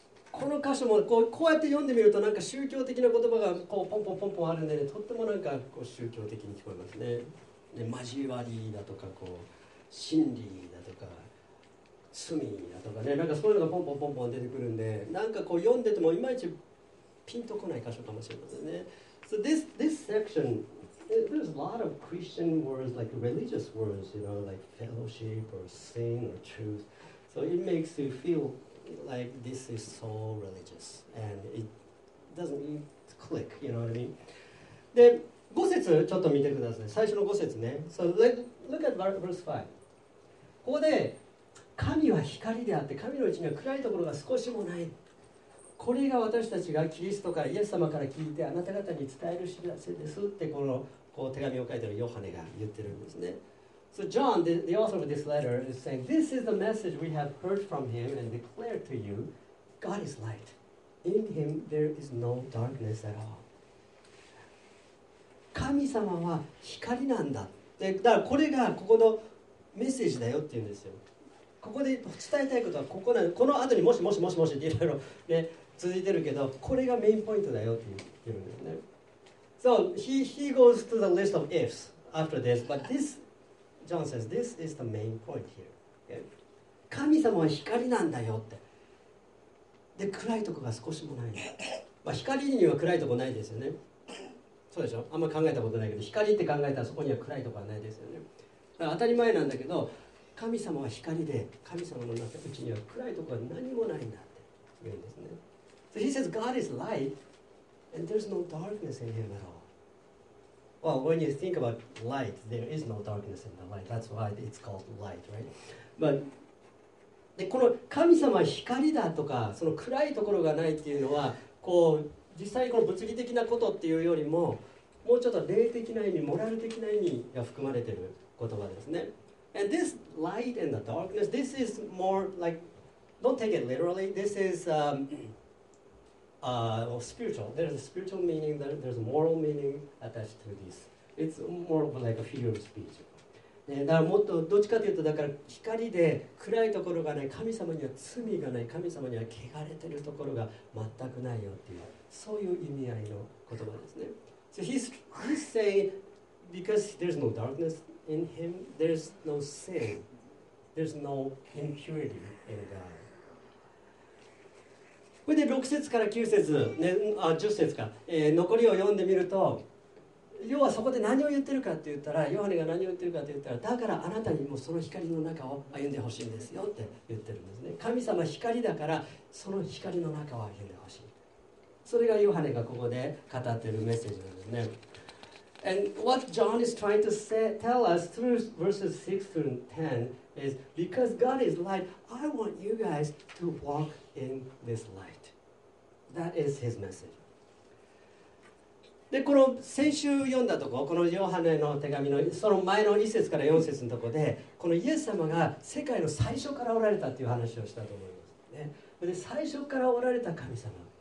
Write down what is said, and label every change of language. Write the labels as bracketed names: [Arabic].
[Japanese] この箇所もこうやって読んでみると、なんか宗教的な言葉がこうポンポンポンポンあるんでね、とってもなんかこう宗教的に聞こえますね。で、交わりだとか、こう真理だとか罪だとかね、なんかそういうのがポンポンポンポン出てくるんで、なんかこう読んでてもいまいちピンとこない箇所かもしれませんね。 [English] So this section, there's a lot of Christian words, like religious words, you know, like fellowship or sin or truth. So it makes you feelLike this is so religious and it doesn't click, you know what I mean? [Japanese] で、5節ちょっと見てください。最初の5節ね。 [English] So look at verse 5. [Japanese] ここで、神は光であって、神のうちには暗いところが少しもない。これが私たちがキリストからイエス様から聞いて、あなた方に伝える知らせですって、このこう手紙を書いているヨハネが言ってるんですね。 [English] So John, the author of this letter, is saying, this is the message we have heard from him and declared to you. God is light. In him there is no darkness at all. [Japanese] 神様は光なんだ。で、だからこれがここのメッセージだよって言うんですよ。ここで伝えたいことはここなんで、この後にもしっていろいろ続いてるけど、これがメインポイントだよって言ってるんですね。 [English] So he goes to the list of ifs after this, but this... John says, this is the main point here.、Okay? [Japanese] 神様は光なんだよって。で、暗いとこが少しもない。まあ、光には暗いとこないですよね。そうでしょ？あんま考えたことないけど、光って考えたらそこには暗いとこはないですよね。だから当たり前なんだけど、神様は光で、神様の中のうちには暗いとこは何もないんだって言うんですね。 [English] So he says, God is light, and there's no darkness in him at all. Well, when you think about light, there is no darkness in the light. That's why it's called light, right? [Japanese] But, でこの神様は光だとか、その暗いところがないっていうのは、こう実際この物理的なことっていうよりも、もうちょっと霊的な意味、モラル的な意味が含まれている言葉ですね。 [English] And this light and the darkness, this is more like, don't take it literally. This is spiritual. There's a spiritual meaning. There's a moral meaning attached to this. It's more of like a figure of speech. [Japanese] ね、だからもっとどっちかというと、だから光で暗いところがない、神様には罪がない、神様には汚れてるところが全くないよっていう、そういう意味合いの言葉ですね。 [English] So he's saying, because there's no darkness in him, there's no sin, there's no impurity in God. [Japanese] これで6節から9節、ね、あ10節か、残りを読んでみると、要はそこで何を言ってるかって言ったら、ヨハネが何を言ってるかって言ったら、だからあなたにもその光の中を歩んでほしいんですよって言ってるんですね。神様光だから、その光の中を歩んでほしい。それがヨハネがここで語ってるメッセージなんですね。 [English] And what John is trying to say, tell us through verses 6 through 10 is because God is light, I want you guys to walkin this light. That is his message. [Japanese] で、この先週読んだとこ、このヨハネの手紙のその前の1節から4節のとこで、このイエス様が世界の最初からおられたっていう話をしたと思います、ね、で最初からおられた神様、